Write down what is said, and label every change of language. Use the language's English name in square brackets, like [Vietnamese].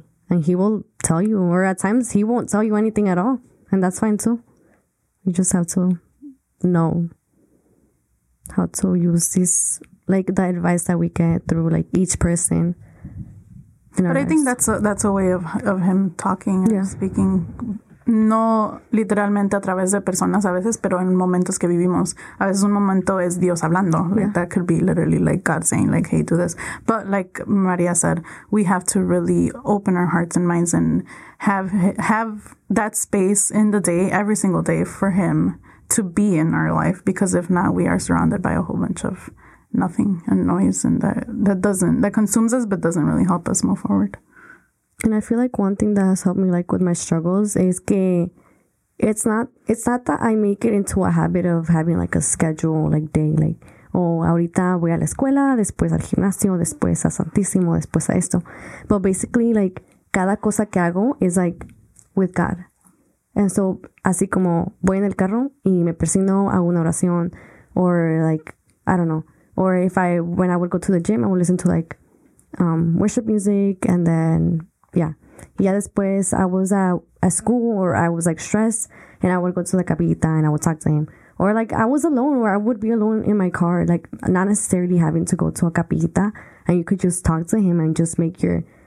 [English] And he will tell you, or at times he won't tell you anything at all, and that's fine too. You just have to know how to use this, like, the advice that we get through, like, each person. But I think that's a way of him talking and speaking. [Spanish] No literalmente a través de personas a veces, pero en momentos que vivimos. A veces un momento es Dios hablando. [English] Yeah. Like, that could be literally like God saying, like, hey, do this. But like Maria said, we have to really open our hearts and minds and have that space in the day, every single day, for him to be in our life. Because if not, we are surrounded by a whole bunch of nothing and noise. And that consumes us, but doesn't really help us move forward. And I feel like one thing that has helped me, like, with my struggles is que it's not that I make it into a habit of having, like, a schedule, like, day, like, oh, [Spanish] ahorita voy a la escuela, después al gimnasio, después a Santísimo, después a esto. [English] But basically, like, [Spanish] cada cosa que hago [English] is, like, with God. And so, [Spanish] así como voy en el carro y me persigno, hago una oración, [English] or, like, I don't know. Or when I would go to the gym, I would listen to, like, worship music, and then... Yeah. Yeah, después I was at school, or I was, like, stressed, and I would go to the capita and I would talk to him. Or, like, I was alone, or I would be alone in my car, like, not necessarily having to go to a capita, and you could just talk to him and just make your...